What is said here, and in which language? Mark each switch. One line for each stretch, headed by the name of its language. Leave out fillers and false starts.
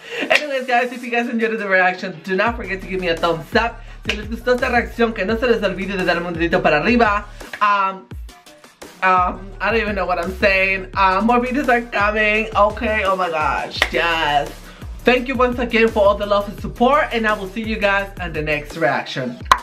English: Anyways, guys, if you guys enjoyed the reaction, do not forget to give me a thumbs up.
Spanish: Si les gustó esta reacción, que no se les olvide de darme un dedito para arriba.
English: I don't even know what I'm saying. More videos are coming. Okay, oh my gosh, yes. Thank you once again for all the love and support, and I will see you guys in the next reaction.